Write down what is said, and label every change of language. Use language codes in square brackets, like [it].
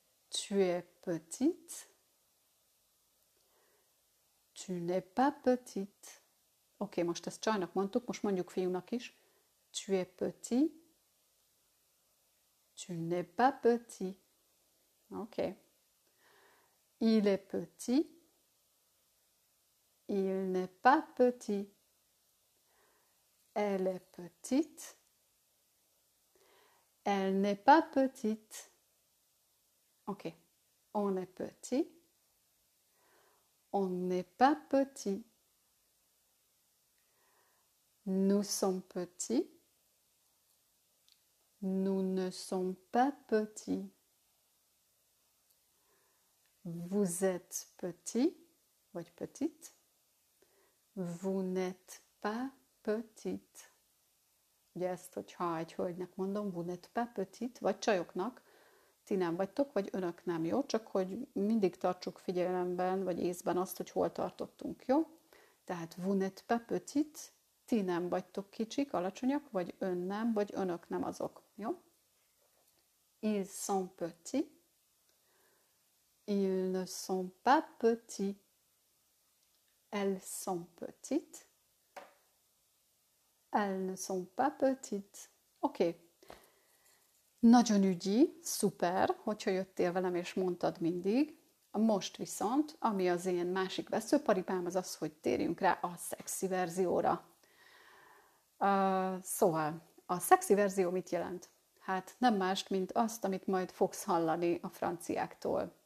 [fr] Tu es petite. Tu n'es pas petite. [hu] Oké, most ezt csajnak mondtuk, most mondjuk fiúnak is. [fr] Tu es petit. Tu n'es pas petit. Oké. Il est petit. Il n'est pas petit. Elle est petite. Elle n'est pas petite. Ok. On est petit. On n'est pas petit. Nous sommes petits. Nous ne sommes pas petits. Vous êtes petit, ou petite. Vous n'êtes pas petite. [hu] Ugye ezt, hogyha egy hölgynek mondom, [fr] vous n'êtes pas petite, [hu] vagy csajoknak, ti nem vagytok, vagy önök nem, jó? Csak hogy mindig tartsuk figyelemben, vagy észben azt, hogy hol tartottunk, jó? Tehát [fr] vous n'êtes pas petite, [hu] ti nem vagytok kicsik, alacsonyak, vagy ön nem, vagy önök nem azok, jó? [fr] Ils sont petits. Ils ne sont pas petits. Elles sont petites. Elles ne sont pas petites. Ok. [hu] Nagyon ügyi, szuper, hogyha jöttél velem és mondtad mindig. Most viszont, ami az én másik veszőparipám, az az, hogy térjünk rá a szexi verzióra. Szóval, a szexi verzió mit jelent? Hát nem mást, mint azt, amit majd fogsz hallani a franciáktól.